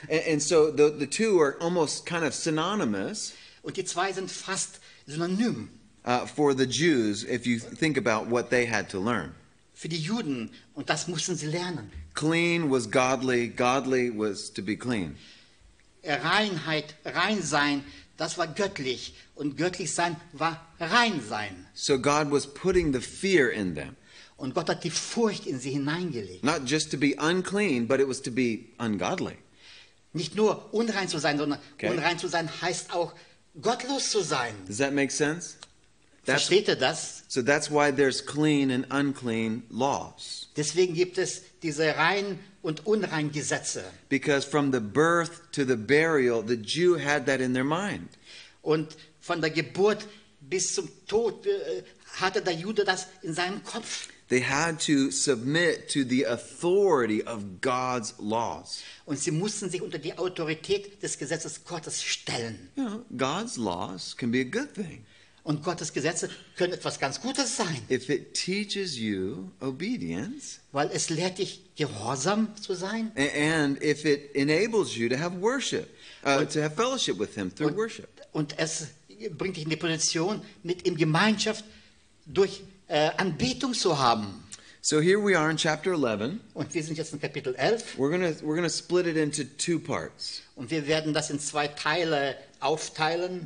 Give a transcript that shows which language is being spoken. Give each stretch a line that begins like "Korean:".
English: And so the two are almost kind of synonymous.
German: Und die zwei sind fast synonym.
English: For the Jews, if you think about what they had to learn.
German: Für die Juden, und das mussten sie lernen.
English: Clean was godly, godly was to be clean.
German: Reinheit, rein sein, das war göttlich, und göttlich sein war rein sein.
English: So God was putting the fear in them.
German: Und Gott hat die Furcht in sie hineingelegt.
English: Not just to be unclean, but it was to be ungodly.
German: Nicht nur unrein zu sein, sondern unrein zu sein heißt auch gottlos zu sein.
English: Does that make sense?
German: Versteht ihr das?
English: So that's why there's clean and unclean laws.
German: Deswegen gibt es diese rein und unrein Gesetze.
English: Because from the birth to the burial, the Jew had that in their mind.
German: Und von der Geburt bis zum Tod hatte der Jude das in seinem Kopf.
English: They had to submit to the authority of God's laws.
German: Und sie mussten sich unter die Autorität des Gesetzes Gottes stellen.
English: You know, God's laws can be a good thing.
German: Und Gottes Gesetze können etwas ganz Gutes sein.
English: If it teaches you obedience,
German: weil es lehrt dich, gehorsam zu sein.
English: And if it enables you to have worship, to have fellowship with him through worship.
German: Und es bringt dich in die Position, mit ihm Gemeinschaft durch Anbetung zu haben.
English: So here we are in chapter 11.
German: Und wir sind jetzt in Kapitel 11.
English: We're gonna split it into two parts.
German: Und wir werden das in zwei Teile aufteilen.